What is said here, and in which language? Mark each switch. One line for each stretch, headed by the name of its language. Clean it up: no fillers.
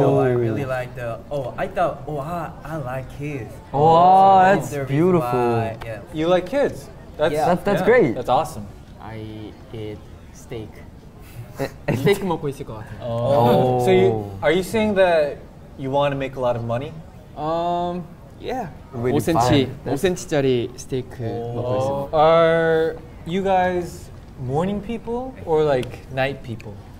English: So I really like the. Oh, I thought. Oh, I like kids. Wow, oh, that's beautiful. Yeah. You like kids. That's that's great. That's awesome. I eat steak. Steak
Korean: 먹고 있을 것 같아.
English: Oh. So are you saying that you want to make a lot of money? Yeah.
Korean: 5cm짜리 스테이크 먹고 있어요.
English: Are you guys morning people or like night people?